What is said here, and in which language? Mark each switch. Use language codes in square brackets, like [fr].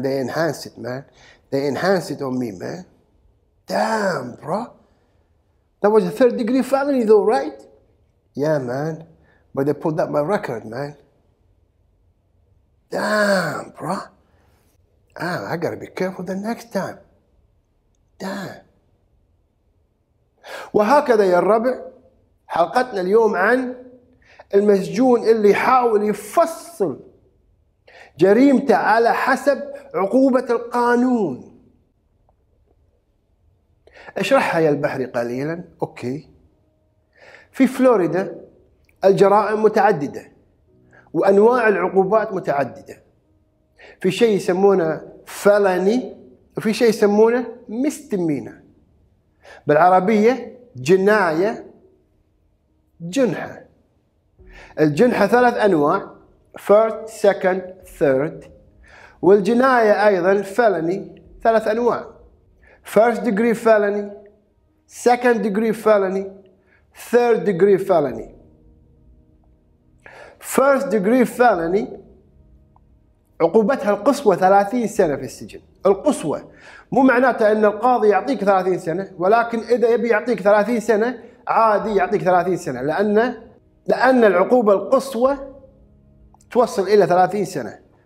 [en] They enhanced it, man. They enhanced it on me, man. Damn, bro. That was a third degree felony though, right? Yeah, man. But they pulled up my record, man. Damn, bro. Ah, I gotta be careful the next time. Damn. [ar] وهكذا يا الربع حلقتنا اليوم عن المسجون اللي يحاول يفصل جريمته على حسب عقوبة القانون. اشرحها يا البحري قليلا. اوكي. في فلوريدا الجرائم متعددة وأنواع العقوبات متعددة. في شيء يسمونه فلاني وفي شيء يسمونه مستمينة. بالعربية جناية جنحة. الجنحة 3 أنواع: [en] first, second, third. [ar] والجناية أيضا فلاني 3 أنواع: [en] first degree felony, second degree felony, third degree felony. first degree felony [ar] عقوبتها القصوى 30 سنة في السجن. القصوى مو معناته أن القاضي يعطيك 30 سنة، ولكن إذا يبي يعطيك 30 سنة عادي يعطيك 30 سنة، لأن العقوبة القصوى توصل إلى 30 سنة.